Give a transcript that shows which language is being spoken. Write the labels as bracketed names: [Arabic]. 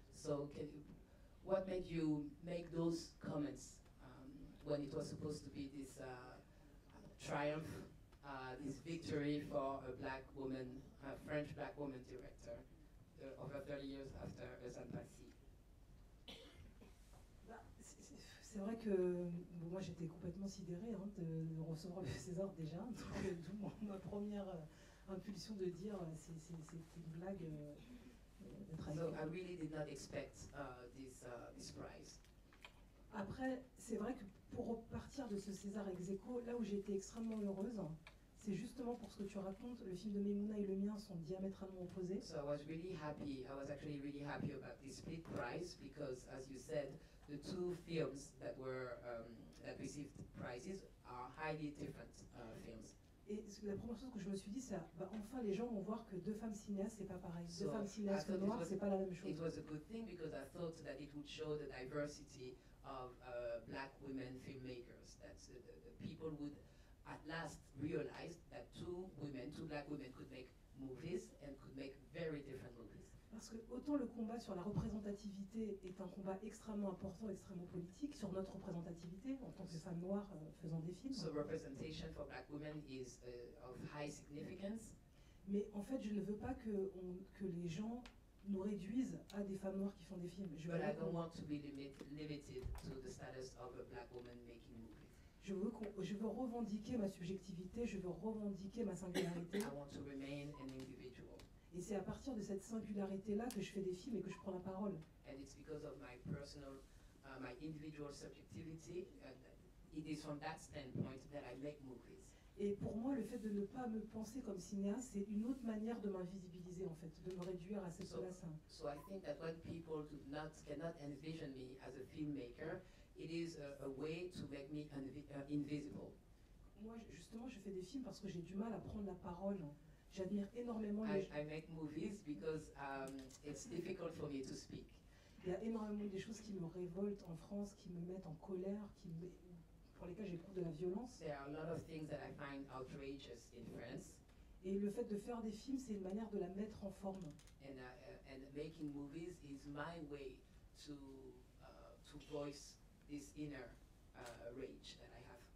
[English] So what made you make those comments when it was supposed to be this triumph, this victory for a black woman, a French black woman director, over 30 years after Eusanne Passy? [French] C'est vrai que bon, moi j'étais complètement sidérée hein, de recevoir le César déjà, donc d'où ma première impulsion de dire c'est une blague. [English] So I really did not expect this prize. [French] Après, c'est vrai que pour repartir de ce César ex aequo, là où j'ai été extrêmement heureuse, c'est justement pour ce que tu racontes, le film de Maboula et le mien sont diamétralement opposés. [English] So I was really happy. I was actually really happy about this split prize because, as you said, the two films that were that received prizes are highly different films. [French] Et la première chose que je me suis dit, c'est bah, enfin les gens vont voir que deux femmes cinéastes, c'est pas pareil. Deux femmes cinéastes noires, c'est pas la même chose. [English] It was a good thing because I thought that it would show the diversity of black women filmmakers. That the people would at last realize that two women, two black women, could make movies and could make very different movies. [French] Parce que autant le combat sur la représentativité est un combat extrêmement important, extrêmement politique, sur notre représentativité en tant que femme noire faisant des films. [English] So representation for black women is of high significance. [French] Mais en fait, je ne veux pas que les gens nous réduisent à des femmes noires qui font des films. Je veux [English] But I don't want to be limited to the status of a black woman making movies. [French] Je veux revendiquer ma subjectivité, je veux revendiquer ma singularité. [English] I want to remain an individual. [French] Et c'est à partir de cette singularité-là que je fais des films et que je prends la parole. [English] And it's because of my personal, my individual subjectivity, it is from that standpoint that I make movies. [French] Et pour moi, le fait de ne pas me penser comme cinéaste, c'est une autre manière de m'invisibiliser, en fait, de me réduire à cette place. [English] So I think that when people do not, cannot envision me as a filmmaker, it is a way to make me invisible. [French] Moi, justement, je fais des films parce que j'ai du mal à prendre la parole. J'admire énormément les [English] I make movies because it's difficult for me to speak. [French] Il y a énormément des choses qui me révoltent en France, qui me mettent en colère, qui me, pour lesquelles j'éprouve de la violence. [English] There are a lot of things that I find outrageous in France. [French] Et le fait de faire des films, c'est une manière de la mettre en forme. [English] And making movies is my way to voice this inner rage that I have.